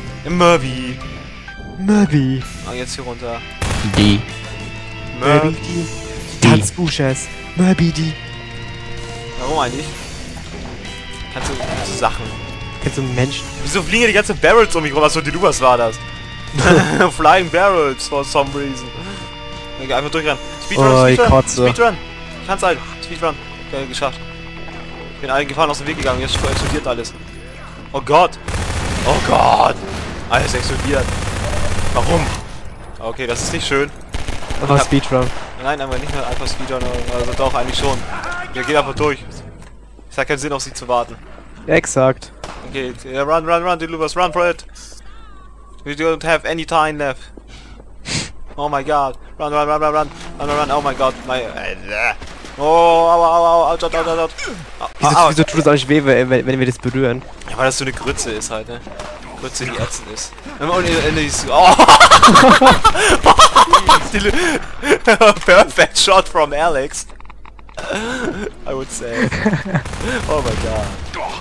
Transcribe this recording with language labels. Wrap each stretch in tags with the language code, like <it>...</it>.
<de>Murphy. Murphy. Ah, jetzt hier runter.</de> <en>Die. Murphy. Die. Tanzbuches. Murphy, die.</en> <de>Warum eigentlich? Kannst du Sachen? Kennst du Menschen? Wieso fliegen hier die ganzen Barrels um mich rum? Achso, die Lubas war das.</de> <en>Flying Barrels for some reason.</en> <de>Okay, einfach durchrennen. Speedrun, oh, Speedrun, ich kotze. Speedrun. Ich kann's halt. Speedrun. Okay, geschafft. Ich bin allen Gefahren aus dem Weg gegangen. Jetzt explodiert alles. Oh Gott. Oh Gott. Alles explodiert. Warum? Okay, das ist nicht schön. Einfach Speedrun. Nein, aber nicht nur einfach Speedrun. Also doch, eigentlich schon. Wir gehen einfach durch. Es hat keinen Sinn, auf sie zu warten. Exakt.</de> <en>Okay, yeah, run, run, run, Delubas, run for it. We don't have any time left. Oh my god. Run, run, run, run, run. Run, run, run. Oh my god. My. Oh,</en> <de>aua, aua, aua,</de> <en>out, out, out, out.</en> <de>Wieso tut es euch weh, wenn wir das berühren? Ja, weil das so eine Grütze ist halt, ne? Grütze, die ätzend ist. Und Ende ist. Oh!</de> <en>Perfect shot from Alex. I would say. Oh my god.</en>